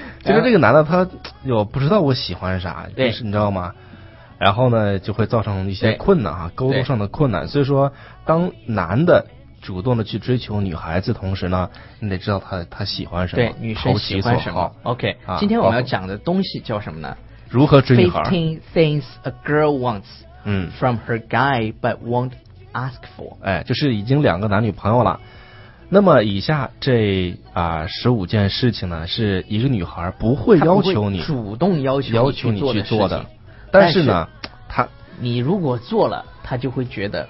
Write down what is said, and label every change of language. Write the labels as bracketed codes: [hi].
[zh] 就是这个男的他有不知道我喜欢啥，就是你知道吗，然后呢就会造成一些困难啊，沟通上的困难。所以说当男的主动的去追求女孩子，同时呢你得知道他喜欢什么，对，女生喜欢什么 OK、今天我们要讲的东西叫什么呢，如何追女孩 [en] 15 things a girl wants from her guy but won't ask for、 [zh] 就是已经两个男女朋友了，那么以下这15件事情呢是一个女孩不会要求你主动要求你去做的，但是呢她你如果做了她就会觉得